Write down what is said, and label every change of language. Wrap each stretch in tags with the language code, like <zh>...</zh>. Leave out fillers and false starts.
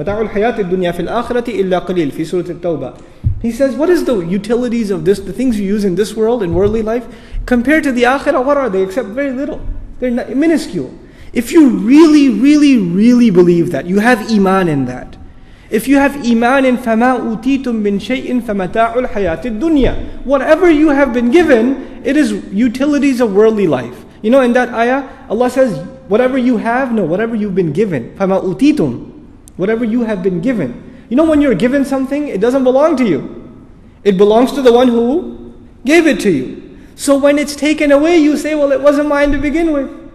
<ar>مَتَعُ الْحَيَاةِ الدُّنْيَا فِي الْآخِرَةِ إِلَّا قَلِيلٌ فِي سُورَةِ التَّوْبَةِ.</ar> <en>He says, what is the utilities of this, the things you use in this world, in worldly life, compared to the akhirah, what are they? Except very little. They're minuscule. If you really, really, really believe that, you have iman in that. If you have iman in</en> <ar>فَمَا أُوتِيتُم مِّن شَيْءٍ فَمَتَاعُ الْحَيَاةِ الدُّنْيَا.</ar> <en>Whatever you have been given, it is utilities of worldly life. You know, in that ayah, Allah says, whatever you have, no, whatever you've been given.</en> <ar>فَمَا أُوتِيتُم.</ar> <en>Whatever you have been given. You know, when you're given something, it doesn't belong to you. It belongs to the one who gave it to you. So when it's taken away, you say, well, it wasn't mine to begin with.</en>